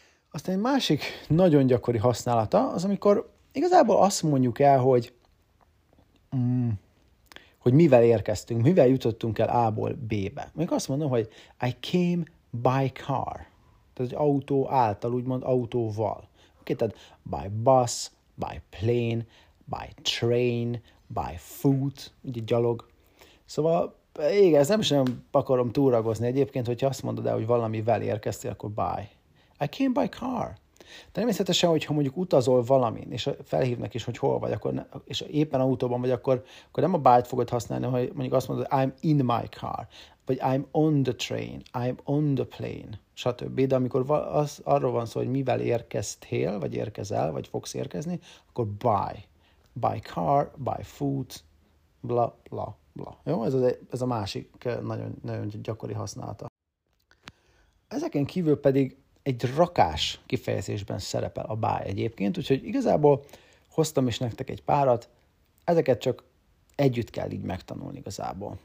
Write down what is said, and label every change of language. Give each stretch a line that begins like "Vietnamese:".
Hungarian: Aztán egy másik nagyon gyakori használata az, amikor igazából azt mondjuk el, hogy mivel érkeztünk, mivel jutottunk el A-ból B-be. Még azt mondom, hogy
English: I came by car.
Hungarian: Tehát egy autó által, úgymond autóval. Oké, tehát
English: by bus, by plane, by train, by foot,
Hungarian: ugye gyalog. Szóval, igen, ezt nem sem akarom túragozni egyébként, hogyha azt mondod el, hogy valamivel érkeztél, akkor by.
English: I came by car.
Hungarian: Természetesen, hogyha mondjuk utazol valamin, és felhívnak is, hogy hol vagy, akkor ne, és éppen autóban vagy, akkor nem a by-t fogod használni, hogy mondjuk azt mondod,
English: I'm in my car,
Hungarian: vagy
English: I'm on the train, I'm on the plane,
Hungarian: stb. De amikor arról van szó, hogy mivel érkeztél, vagy érkezel, vagy fogsz érkezni, akkor by.
English: By car, by foot, bla, bla, bla.
Hungarian: Jó? Ez a másik nagyon, nagyon gyakori használata. Ezeken kívül pedig egy rakás kifejezésben szerepel a by egyébként, úgyhogy igazából hoztam is nektek egy párat, ezeket csak együtt kell így megtanulni igazából.